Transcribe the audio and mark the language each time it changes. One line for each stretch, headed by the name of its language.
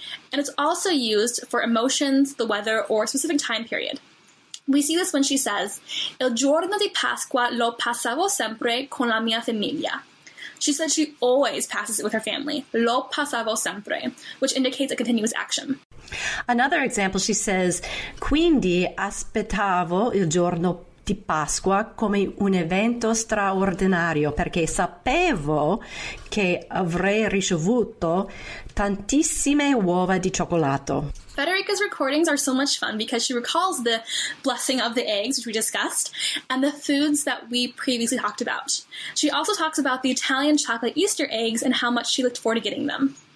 English: And it's also used for emotions, the weather, or a specific time period.
Italian: We see this when she says, "Il giorno di Pasqua lo passavo sempre con la mia famiglia."
English: She said she always passes it with her family, lo passavo sempre, which indicates a continuous action.
Italian: Another example, she says, "Quindi aspettavo il giorno di Pasqua come un evento straordinario perché sapevo che avrei ricevuto tantissime uova di cioccolato."
English: Federica's recordings are so much fun because she recalls the blessing of the eggs, which we discussed, and the foods that we previously talked about. She also talks about the Italian chocolate Easter eggs and how much she looked forward to getting them.